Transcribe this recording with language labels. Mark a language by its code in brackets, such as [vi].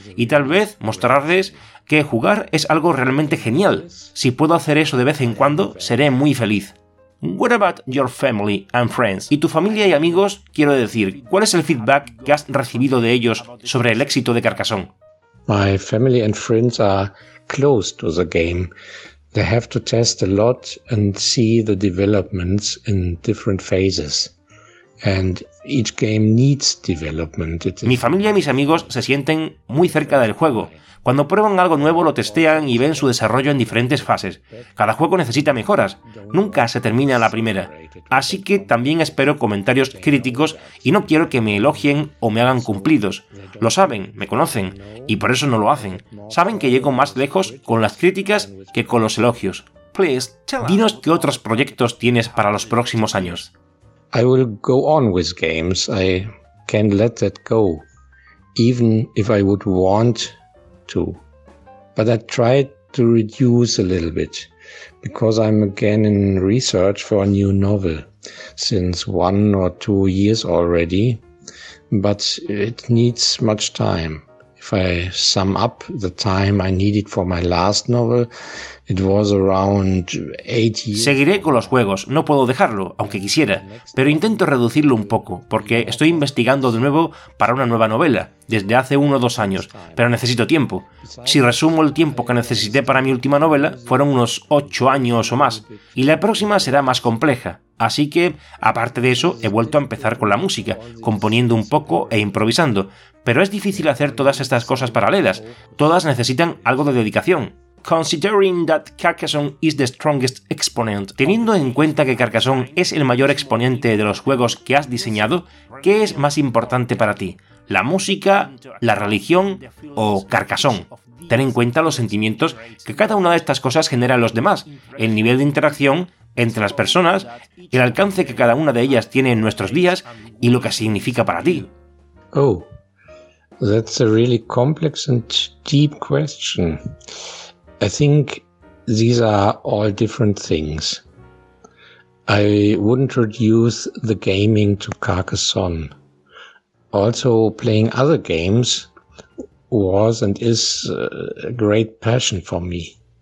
[es] Y tal vez mostrarles que jugar es algo realmente genial. Si puedo hacer eso de vez en cuando, seré muy feliz. [en] What about your family and friends? [es] ¿Y tu familia y amigos? Quiero decir, ¿cuál es el feedback que has recibido de ellos sobre el éxito de Carcassonne? [en] My family and friends are close to the game. They have to test a lot and see the developments in different phases. And each game needs development. [es] Mi familia y mis amigos se sienten muy cerca del juego. Cuando prueban algo nuevo, lo testean y ven su desarrollo en diferentes fases. Cada juego necesita mejoras. Nunca se termina la primera. Así que también espero comentarios críticos y no quiero que me elogien o me hagan cumplidos. Lo saben, me conocen, y por eso no lo hacen. Saben que llego más lejos con las críticas que con los elogios. [en] Please, tell us. [es] Dinos qué otros proyectos tienes para los próximos años. [en] I will go on with games. I can't let that go, even if I would want to. But I try to reduce a little bit, because I'm again in research for a new novel, since 1 or 2 years already. But it needs much time. If I sum up the time I needed for my last novel, It was around 8 years. [es] Seguiré con los juegos, no puedo dejarlo, aunque quisiera, pero intento reducirlo un poco, porque estoy investigando de nuevo para una nueva novela, desde hace 1 o 2 años, pero necesito tiempo. Si resumo el tiempo que necesité para mi última novela, fueron unos 8 años o más, y la próxima será más compleja. Así que, aparte de eso, he vuelto a empezar con la música, componiendo un poco e improvisando. Pero es difícil hacer todas estas cosas paralelas. Todas necesitan algo de dedicación. [en] Considering that Carcassonne is the strongest exponent, [es] teniendo en cuenta que Carcassonne es el mayor exponente de los juegos que has diseñado, ¿qué es más importante para ti? ¿La música, la religión o Carcassonne? Ten en cuenta los sentimientos que cada una de estas cosas genera en los demás, el nivel de interacción entre las personas, el alcance que cada una de ellas tiene en nuestros días y lo que significa para ti. [en] Oh, that's a really complex and deep question. I think these are all different things. I wouldn't reduce the gaming to Carcassonne. Also, playing other games was and is a great passion for me.